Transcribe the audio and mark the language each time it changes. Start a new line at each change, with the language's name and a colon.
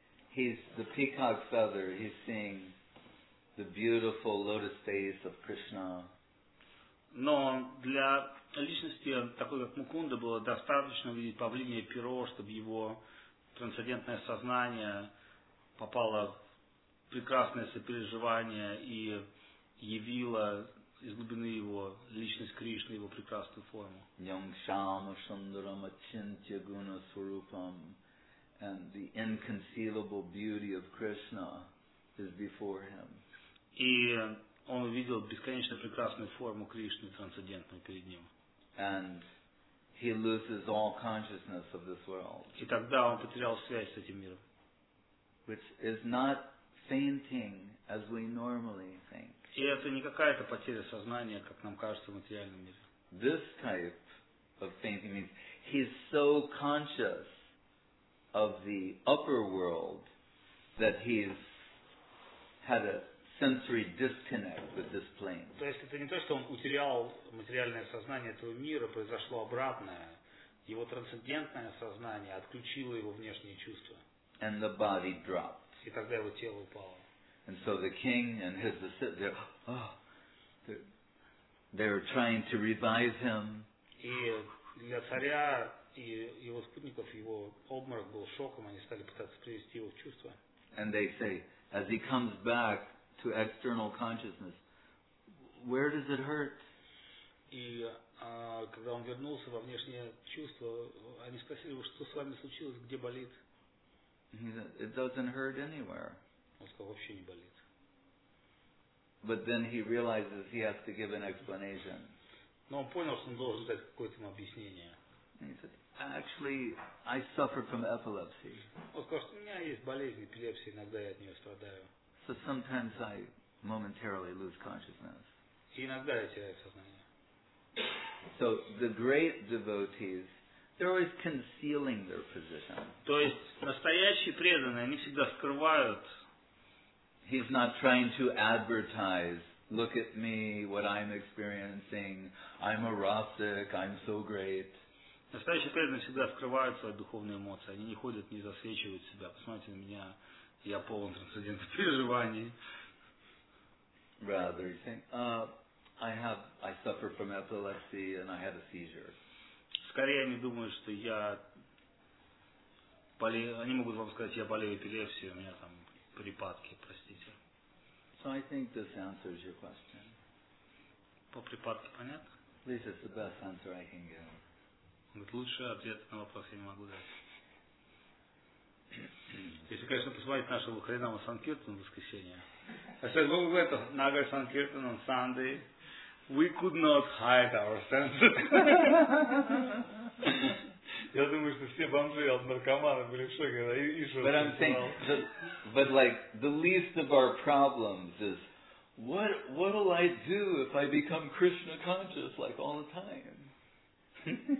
English: He's the peacock feather, he's seeing the beautiful lotus face of Krishna.
Russian: Но для личности, такой как Мукунда, было достаточно видеть павлинье перо, чтобы его трансцендентное сознание попало в прекрасное сопереживание и явило из глубины его личность Кришны, его прекрасную форму.
Sanskrit: Нямшама шандрама чинтья гуна сурупам
English: and the inconceivable beauty of Krishna is before him.
Russian: И он увидел бесконечно прекрасную форму Кришны, трансцендентную перед ним.
English: And he loses all consciousness of this world.
Russian: И тогда он потерял связь с этим миром.
English: Which is not fainting as we normally think.
Russian: И это не какая-то потеря сознания, как нам кажется в материальном мире.
English: This type of fainting means he's so conscious of the upper world that he's had a sensory disconnect with this plane.
Russian: То есть это не то, что он утерял материальное сознание этого мира, произошло обратное. Его трансцендентное сознание отключило его внешние чувства.
English: And the body dropped.
Russian: И тогда его тело упало.
English: And so the king and his assistant, they're trying to revive him.
Russian: И для царя и его спутников его обморок был шоком, они стали пытаться привести его в чувство.
English: And they say, as he comes back to external consciousness, where does it hurt?
Russian: И когда он вернулся во внешнее чувство, они спросили его, что с вами случилось, где болит?
English: He said, it doesn't hurt anywhere.
Russian: Он сказал, вообще не болит.
English: But then he realizes he has to give an explanation.
Russian: Но он понял, что он должен дать какое-то ему объяснение.
English: And he said, actually, I suffer from epilepsy.
Russian: Он сказал, что у меня есть болезнь эпилепсии, иногда я от нее страдаю.
English: So sometimes I momentarily lose consciousness.
Russian: Иногда я теряю сознание.
English: So the great devotees, they're always concealing their position.
Russian: То есть настоящие преданные, они всегда скрывают.
English: He's not trying to advertise, look at me, what I'm experiencing, I'm a rasik, I'm so great.
Russian: Настоящие преданные всегда скрывают свои духовные эмоции. Они не ходят, не засвечивают себя. Посмотрите на меня, я полон трансцендентных переживаний.
English: Rather, you think, I suffer from epilepsy and I had a seizure.
Russian: Скорее они думают, что я болею, они могут вам сказать, я болею эпилепсией, у меня там припадки, простите.
English: So I think this answers your question.
Russian: По припадке понятно?
English: At least it's the best answer I can give.
Russian: Лучший ответ на вопрос я не могу дать. Если, конечно, посмотреть нашего Харинама Санкиртана в воскресенье.
English: I said, look at that, Nagar Sankirtan on Sunday. We could not hide our senses.
Russian: Я думаю, что все бомжи, наркоманы были в шоке.
English: But I'm saying, but like, the least of our problems is, what will I do if I become Krishna conscious, like, all the time?